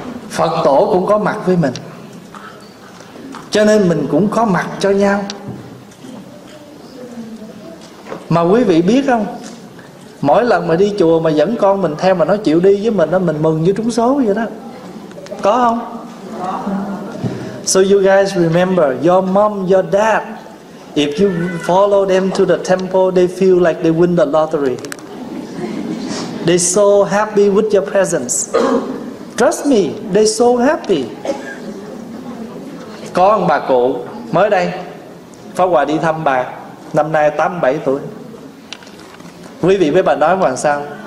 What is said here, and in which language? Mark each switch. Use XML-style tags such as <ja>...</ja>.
<vi>Phật Tổ cũng có mặt với mình, cho nên mình cũng có mặt cho nhau. Mà quý vị biết không, mỗi lần mà đi chùa mà dẫn con mình theo mà nó chịu đi với mình đó, mình mừng như trúng số vậy đó. Có không?</vi> <en>So you guys remember, your mom, your dad, if you follow them to the temple, they feel like they win the lottery. They so happy with your presence. Trust me, they so happy.</en> <vi>Có một bà cụ mới đây, Pháp Hòa đi thăm bà, năm nay 87 tuổi. Quý vị với bà nói làm sao?</vi>